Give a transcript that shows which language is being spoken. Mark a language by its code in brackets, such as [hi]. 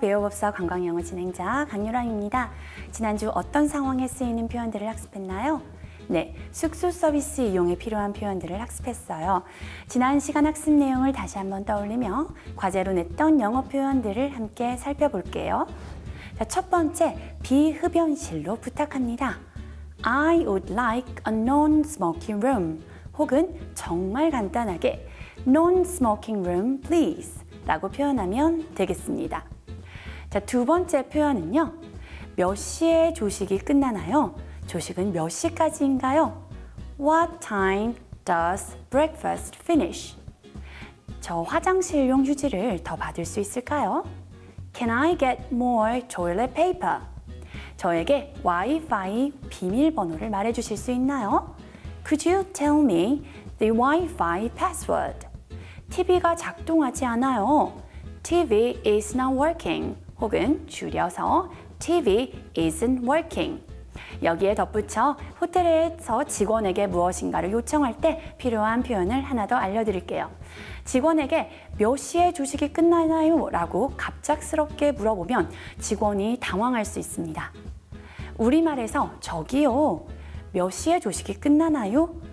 [ko] 배우법사 관광영어 진행자 강유라입니다. 지난주 어떤 상황에 쓰이는 표현들을 학습했나요? 네, 숙소 서비스 이용에 필요한 표현들을 학습했어요. 지난 시간 학습 내용을 다시 한번 떠올리며 과제로 냈던 영어 표현들을 함께 살펴볼게요. 자, 첫 번째, 비흡연실로 부탁합니다. [en] I would like a non-smoking room [ko] 혹은 정말 간단하게 [en] non-smoking room, please [ko] 라고 표현하면 되겠습니다. 자, 두 번째 표현은요. 몇 시에 조식이 끝나나요? 조식은 몇 시까지인가요? [en] What time does breakfast finish? [ko] 저 화장실용 휴지를 더 받을 수 있을까요? [en] Can I get more toilet paper? [ko] 저에게 와이파이 비밀번호를 말해주실 수 있나요? [en] Could you tell me the Wi-Fi password? [ko] TV가 작동하지 않아요. [en] TV is not working. [ko] 혹은 줄여서 [en] TV isn't working. [ko] 여기에 덧붙여 호텔에서 직원에게 무엇인가를 요청할 때 필요한 표현을 하나 더 알려드릴게요. 직원에게 몇 시에 조식이 끝나나요? 라고 갑작스럽게 물어보면 직원이 당황할 수 있습니다. 우리말에서 저기요, 몇 시에 조식이 끝나나요?